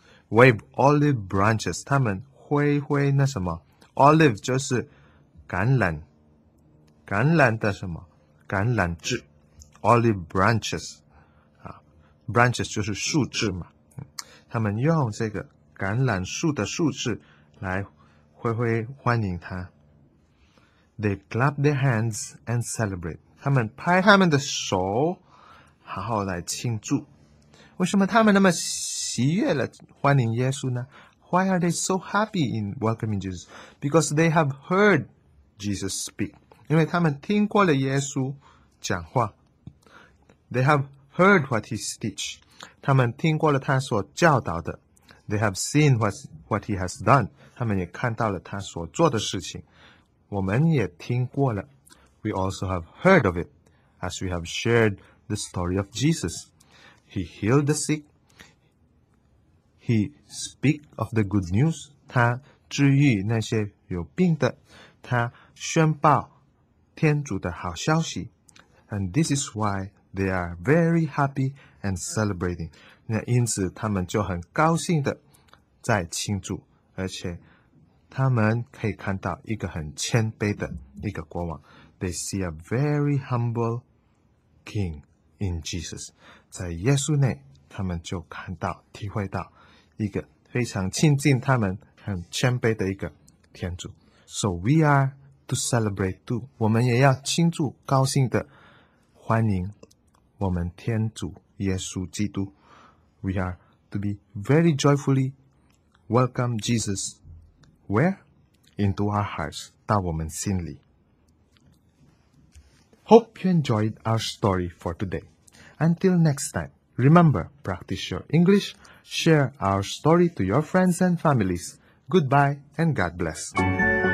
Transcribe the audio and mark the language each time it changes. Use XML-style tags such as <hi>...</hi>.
<en>Wave olive branches,</en> <zh>他们挥挥那什么 ?Olive 就是橄榄。橄榄的什么橄榄枝。</zh> <en>Olive branches.</en> <zh>Branches 就是树枝嘛，他们用这个橄榄树的树枝来挥挥欢迎他。</zh> <en>They clap their hands and celebrate.</en> <zh>他们拍他们的手，好好来庆祝。为什么他们那么喜悦了欢迎耶稣呢 ？</zh> <en>Why are they so happy in welcoming Jesus? Because they have heard Jesus speak.</en> <zh>因为他们听过了耶稣讲话。</zh> <en>They haveheard what he teach.</en> <zh>他们听过了他所教导的。</zh> <en>They have seen what he has done.</en> <zh>他们也看到了他所做的事情。我们也听过了。</zh> <en>We also have heard of it as we have shared the story of Jesus. He healed the sick. He speak of the good news.</en> <zh>他治愈那些有病的。他宣报天主的好消息。</zh> <en>And this is whyThey are very happy and celebrating.</en> <zh>那因此他们就很高兴的在庆祝，而且他们可以看到一个很谦卑的一个国王。</zh> <en>They see a very humble king in Jesus.</en> <zh>在耶稣内，他们就看到、体会到一个非常亲近他们、很谦卑的一个天主。</zh> <en>So we are to celebrate too.</en> <zh>我们也要庆祝、高兴的欢迎。我们天主耶稣基督</zh> <en>We are to be very joyfully welcome Jesus Where? Into our hearts</en> <zh>到我们心里</zh> <en>Hope you enjoyed our story for today Until next time Remember, practice your English Share our story to your friends and families Goodbye and God bless</en>